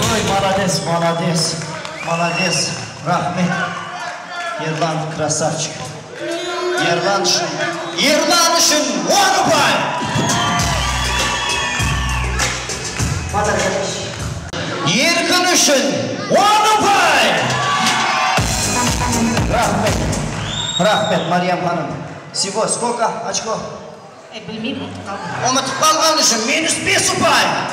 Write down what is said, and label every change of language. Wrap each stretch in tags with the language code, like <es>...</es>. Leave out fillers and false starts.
<ru>Молодец, молодец, молодец, рахмет. Ерлан красавчик.</ru> <kk>Ерлан үшін, Ерлан үшін, он ұпай! Еркін үшін, он ұпай! Рахмет, рахмет, Мариям ханым.</kk> <ru>Всего, сколько очко?</ru> <kk>Білмеймін. Ұмытып қалған үшін, минус 5 ұпай!</kk>